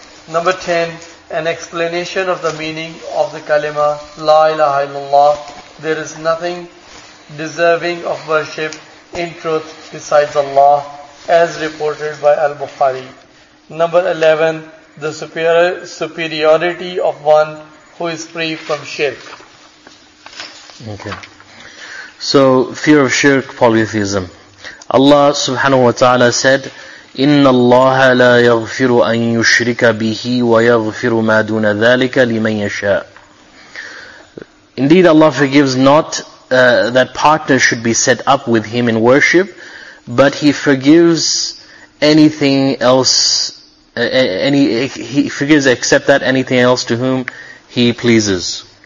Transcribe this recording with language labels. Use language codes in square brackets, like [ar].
[en] Number 10, an explanation of the meaning of the kalima, La ilaha illallah, there is nothing deserving of worship in truth besides Allah, as reported by Al-Bukhari. Number 11, the superiority of one who is free from shirk. Okay. So, fear of shirk, polytheism. [ar] Allah subhanahu wa ta'ala said, إِنَّ اللَّهَ لَا يَغْفِرُ أَن يُشْرِكَ بِهِ وَيَغْفِرُ مَا دُونَ ذَلِكَ لِمَن يَشَاءُ. [en] Indeed, Allah forgives not that partner should be set up with him in worship, but he forgives anything else, he forgives except that anything else to whom he pleases.